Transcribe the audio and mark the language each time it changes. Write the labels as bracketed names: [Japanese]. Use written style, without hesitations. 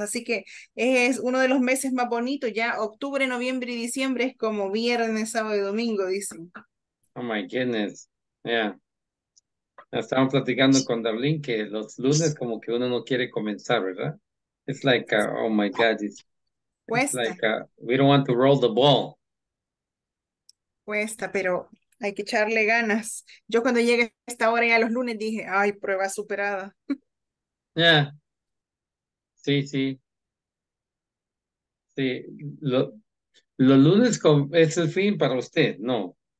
[Spanish] Así que es uno de los meses más bonitos, ya octubre, noviembre y diciembre es como viernes, sábado y domingo, dicen. [English] Oh my goodness, yeah. [Spanish] Estaban platicando con Darlene que los lunes como que uno no quiere comenzar, ¿verdad? [English] It's like, oh my God, it's [Spanish] Cuesta. [English] like, we don't want to roll the ball. [Spanish] Cuesta, pero hay que echarle ganas. Yo cuando llegué a esta hora ya los lunes dije, ay, prueba superada. Yeah. Sí. Sí, los lunes es el fin para usted, ¿no?